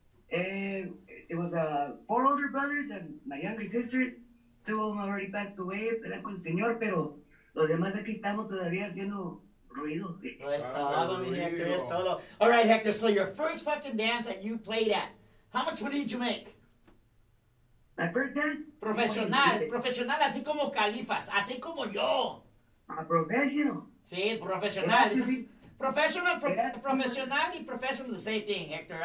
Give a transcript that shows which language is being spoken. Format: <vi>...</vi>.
<en>It was 4 older brothers and my younger sister. 2 of them already passed away,</en> <es>pero con el señor, pero los demás aquí estamos todavía haciendo ruido. No, es todo, mi Hector, es todo.</es> <en>All right, Hector, so your first fucking dance that you played at, how much money did you make? My first dance?</en> <es>Profesional, así como Califas, así como yo.</es> <en>A professional.</en> <es>Sí, profesional.</es> <en>Profesional y professional is the same thing, Hector.</en>